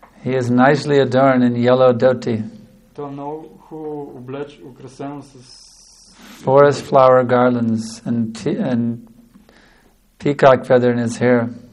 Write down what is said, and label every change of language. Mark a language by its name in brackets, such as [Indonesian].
[English] He is nicely adorned in yellow dhoti. [Bulgarian] Той е много хубаво облеч, украсен с [English] forest flower garlands and peacock feather in his hair.